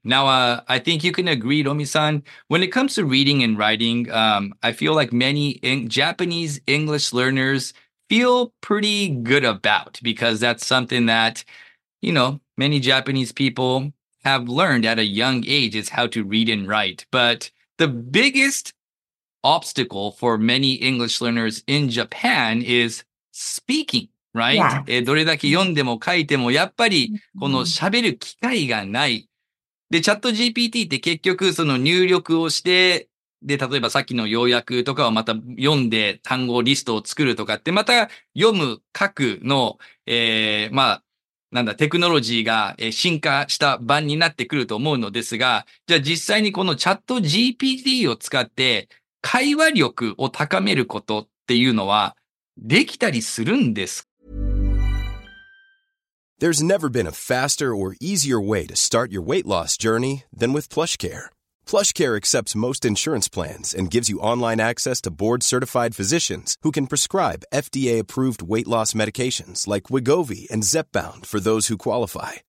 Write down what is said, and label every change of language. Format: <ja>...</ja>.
<en>Now, I think you can agree, Romi-san, when it comes to reading and writing, I feel like many Japanese English learners feel pretty good about, because that's something that, many Japanese people have learned at a young age, is how to read and write. But the biggest obstacle for many English learners in Japan is speaking, right? Yeah.</en> <ja>どれだけ読んでも書いてもやっぱりこの喋る機会がない。で、チャット GPT って結局その入力をして、で、例えばさっきの要約とかをまた読んで単語リストを作るとかって、また読む、書くの、テクノロジーが進化した版になってくると思うのですが、じゃあ実際にこのチャット GPT を使って、会話力を高めることっていうのはできたりするんです。</ja> <en>There's never been a faster or easier way to start your weight loss journey than with PlushCare. PlushCare accepts most insurance plans and gives you online access to board-certified physicians who can prescribe FDA-approved weight loss medications like Wegovy and Zepbound for those who qualify.</en>